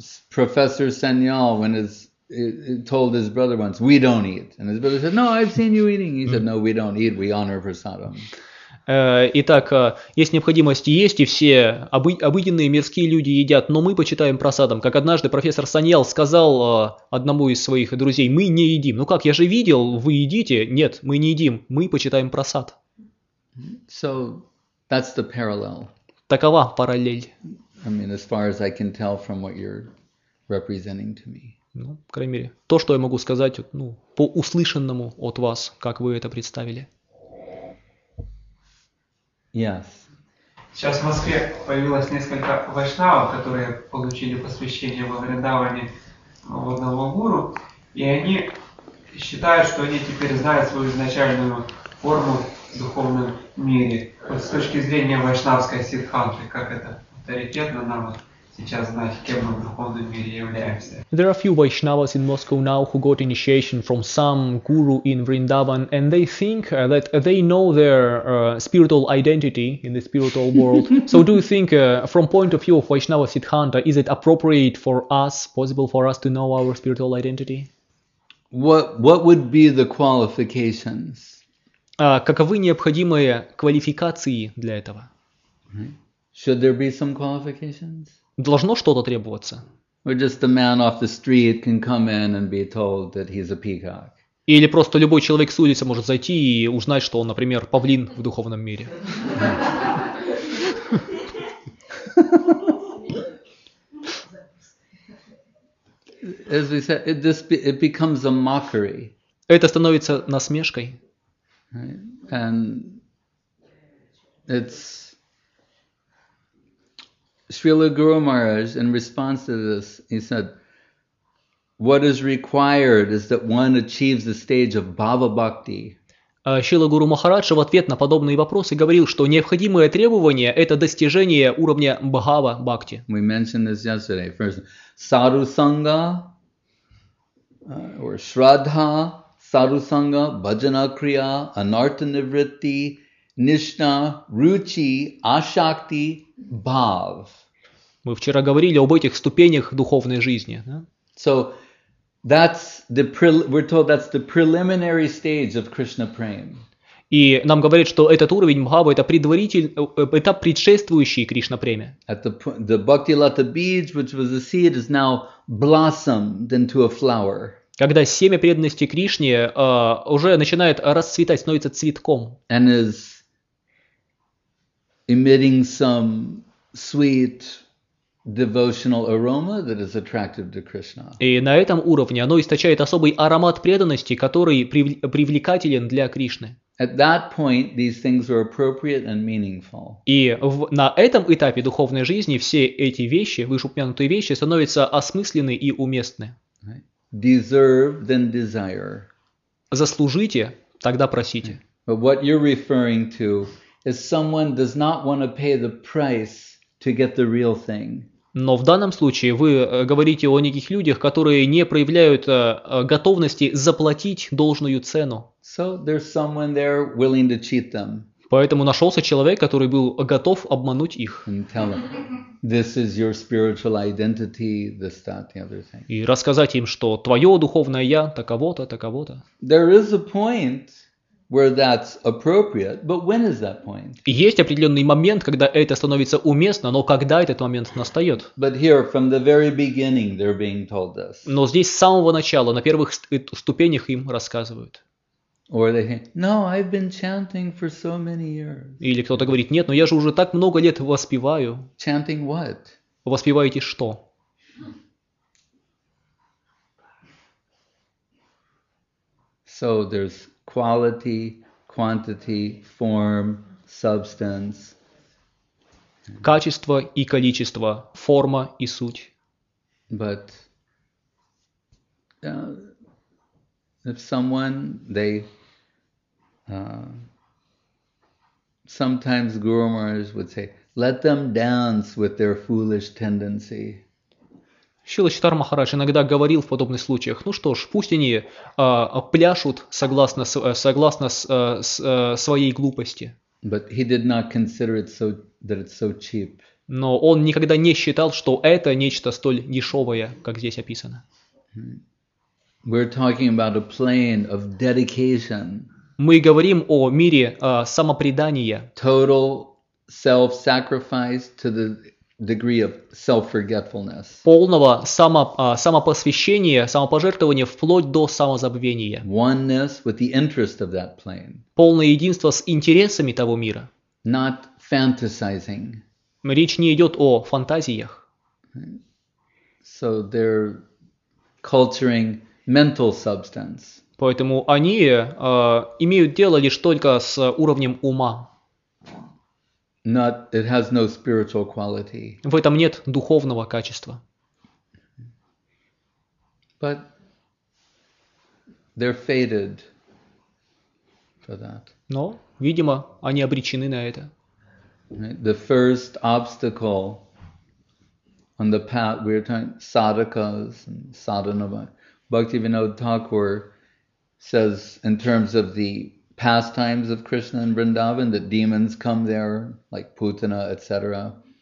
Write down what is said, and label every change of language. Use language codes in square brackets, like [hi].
[en] Professor Sanyal, when told his brother once, we don't eat. And his brother said, no, I've seen you eating. He said, no, we don't eat. We honor prasadam. [ru] Итак, есть необходимость есть, и все обыденные мирские люди едят, но мы почитаем прасадом. Как однажды профессор Саньял сказал одному из своих друзей, мы не едим. Ну как, я же видел, вы едите. Нет, мы не едим, мы почитаем прасад. [en] So, that's the parallel. [ru] Такова параллель. [en] I mean, as far as I can tell from what you're representing to me. [ru] Ну, по крайней мере, то, что я могу сказать, ну, по услышанному от вас, как вы это представили. [en] Yes. [ru] Сейчас в Москве появилось несколько вайшнавов, которые получили посвящение во Вриндаване в одного гуру, и они считают, что они теперь знают свою изначальную форму в духовном мире. Вот с точки зрения вайшнавской сиддханты, как это авторитетно нам сейчас знать, кем мы в духовном мире являемся. [en] There are a few Vaishnavas in Moscow now who got initiation from some guru in Vrindavan, and they think that they know their spiritual identity in the spiritual world. So do you think, from point of view of Vaishnava Siddhanta, is it appropriate for us, possible for us to know our spiritual identity? What would be the qualifications? [ru] Каковы необходимые квалификации для этого? [en] Should there be some qualifications? [ru] Должно что-то требоваться? [en] Or just a man off the street can come in and be told that he's a peacock? [ru] Или просто любой человек с улицы может зайти и узнать, что он, например, павлин в духовном мире? [en] As we said, it becomes a mockery. [ru] Это становится насмешкой. [en] And it's Srila Guru Maharaj, in response to this, he said, what is required is that one achieves the stage of bhava bhakti. [ru] Srila Guru Maharaj в ответ на подобные вопросы говорил, что необходимое требование – это достижение уровня bhava bhakti. [en] We mentioned this yesterday. First, sadhu sangha, or shraddha, sadhu sangha, bhajana kriya, anartha nivritti, nishna, ruchi, ashakti, bhav. [ru] Мы вчера говорили об этих ступенях духовной жизни. Да? [en] So that's the we're told that's the preliminary stage of Krishna prema. [ru] И нам говорят, что этот уровень бхавы это предварительный этап, предшествующий Кришна преме. [en] The bhakti lata beej, which was a seed, is now blossomed into a flower. [ru] Когда семя преданности Кришне уже начинает расцветать, становится цветком. [en] And is emitting some sweet devotional aroma that is attractive to Krishna. [ru] И на этом уровне оно источает особый аромат преданности, который привлекателен для Кришны. [en] At that point, these things are appropriate and meaningful. [ru] И на этом этапе духовной жизни все эти вещи, вышеупомянутые вещи, становятся осмысленны и уместны. [en] Right. Deserve, then desire. [ru] Заслужите, тогда просите. [en] Right. But what you're referring to is someone does not want to pay the price to get the real thing. [ru] Но в данном случае вы говорите о неких людях, которые не проявляют готовности заплатить должную цену. [en] So there's someone there willing to cheat them. [ru] Поэтому нашелся человек, который был готов обмануть их. [en] And tell them, this is your spiritual identity, this, that, the other thing. [ru] И рассказать им, что твое духовное я таково-то, таково-то. [en] There is a point where that's appropriate, but when is that point? [ru] Есть определенный момент, когда это становится уместно, но когда этот момент настает? [en] But here, from the very beginning, they're being told this. [ru] Но здесь с самого начала, на первых ступенях им рассказывают. [en] Or they think, no, I've been chanting for so many years. [ru] Или кто-то говорит, нет, но я же уже так много лет воспеваю. [en] Chanting what? [ru] Воспеваете что? [en] So there's quality, quantity, form, substance. [ru] Качество и количество, форма и суть. [en] But if someone, they sometimes Guru Maharaj would say, let them dance with their foolish tendency. [ru] Шрила Читар Махарадж иногда говорил в подобных случаях, ну что ж, пусть они пляшут согласно своей глупости. [en] But he did not consider it so, that it's so cheap. [ru] Но он никогда не считал, что это нечто столь дешевое, как здесь описано. [en] We're talking about a plane of dedication. [ru] Мы говорим о мире самопредания. [en] Total self-sacrifice to the degree of self-forgetfulness. [ru] Полного самопосвящения, самопожертвования вплоть до самозабвения. [en] Oneness with the interest of that plane. [ru] Полное единство с интересами того мира. [en] Not fantasizing. [ru] Речь не идет о фантазиях. [en] So they're culturing mental substance. [ru] Поэтому они имеют дело лишь только с уровнем ума. [en] not, it has no spiritual quality. [ru] В этом нет духовного качества. [en] But they're fated for that. [ru] Но, видимо, они обречены на это. [en] The first obstacle on the path, we're talking sadhakas and sadhana. Bhaktivinoda Thakur says, in terms of the pastimes of Krishna and Vrindavan, that demons come there, like Putana, etc.